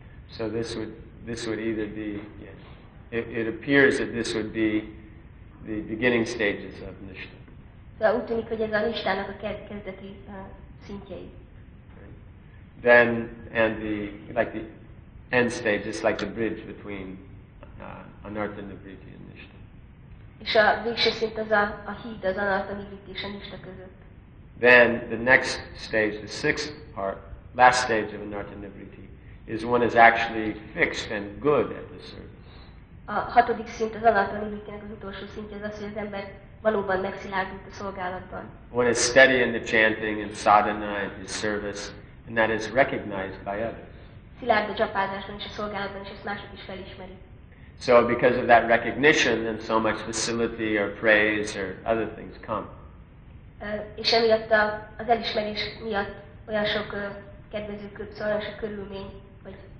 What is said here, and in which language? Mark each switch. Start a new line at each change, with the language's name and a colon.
English: So this would either be, yes, it appears that this would be the beginning stages of Nishta.
Hungarian: Szóval úgy tűnik, hogy ez a listának a kezdeti szintjei.
English: Then, and the, like the end stage, it's like the bridge between Anartha Nivritti and Nishta.
Hungarian: És a végső szint az a híd, az Anartha Nivritti és a Nishta között.
English: Then, the next stage, the sixth part, last stage of Anartha Nivritti, is one is actually fixed and good at the service.
Hungarian: A hatodik szint, az Anartha Nivritti-nek az utolsó szintje, az az, hogy az ember valóban megszilárdult a szolgálatban.
English: One is steady in the chanting and sadhana in the service, and that is recognized by others.
Hungarian: Szilárd a csapázásban és a szolgálatban, és ezt mások is felismerik.
English: So because of that recognition, then so much facility or praise or other things come.
Hungarian: És emiatt az elismerés miatt olyan sok kedvező szolgálás a körülmény, vagy